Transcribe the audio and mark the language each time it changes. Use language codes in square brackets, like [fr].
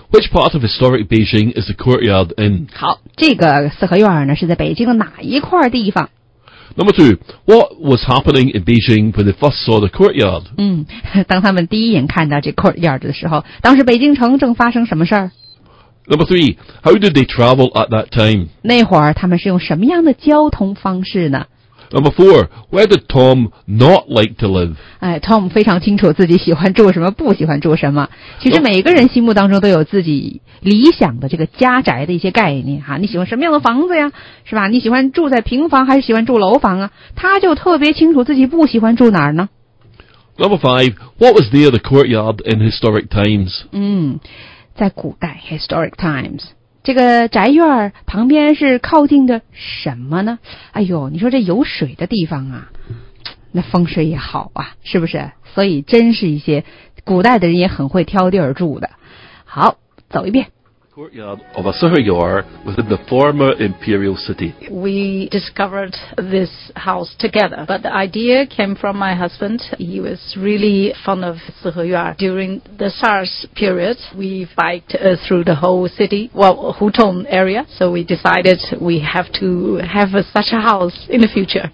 [en] Which part of historic Beijing is the courtyard in? [zh] 好，这个四合院呢是在北京的哪一块地方？ [en] Number 2, what was happening in Beijing when they first saw the courtyard? [zh] 当他们第一眼看到这 courtyard 的时候，当时北京城正发生什么事儿？ [en] Number 3, how did they travel at that time? [zh] 那会儿他们是用什么样的交通方式呢？ [en] Number 4, where did Tom not like to live? [zh] Tom 非常清楚自己喜欢住什么，不喜欢住什么。其实每个人心目当中都有自己理想的这个家宅的一些概念哈，你喜欢什么样的房子呀，是吧？你喜欢住在平房还是喜欢住楼房啊？他就特别清楚自己不喜欢住哪儿呢。 [en] Number 5, what was there the courtyard in historic times? [zh] 在古代 historic times, 这个宅院旁边是靠近的什么呢？哎呦，你说这有水的地方啊，那风水也好啊，是不是？所以真是一些古代的人也很会挑地儿住的。好，走一遍。 [en] Courtyard of a Sihayor within the former imperial city. We discovered this house together, but the idea came from my husband. He was really fond of Sihayor. During the SARS period, we biked through the whole city, well, Hutong area, so we decided we have to have such a house in the future.